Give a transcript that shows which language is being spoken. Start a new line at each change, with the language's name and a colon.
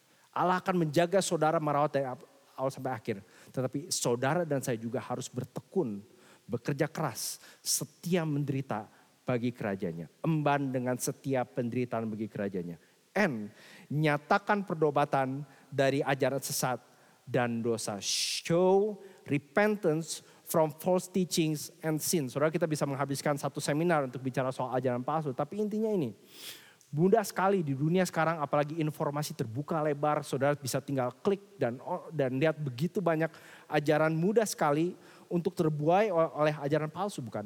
Indonesian: Allah akan menjaga saudara merawat dari awal sampai akhir. Tetapi saudara dan saya juga harus bertekun, bekerja keras, setia menderita bagi kerajanya. Emban dengan setiap penderitaan bagi kerajanya. And nyatakan perdobatan dari ajaran sesat dan dosa.
English: Show repentance from false teachings and sins.
Indonesian: Saudara, kita bisa menghabiskan satu seminar untuk bicara soal ajaran palsu. Tapi intinya ini, mudah sekali di dunia sekarang, apalagi informasi terbuka lebar, saudara bisa tinggal klik dan lihat begitu banyak ajaran, mudah sekali untuk terbuai oleh ajaran palsu, bukan?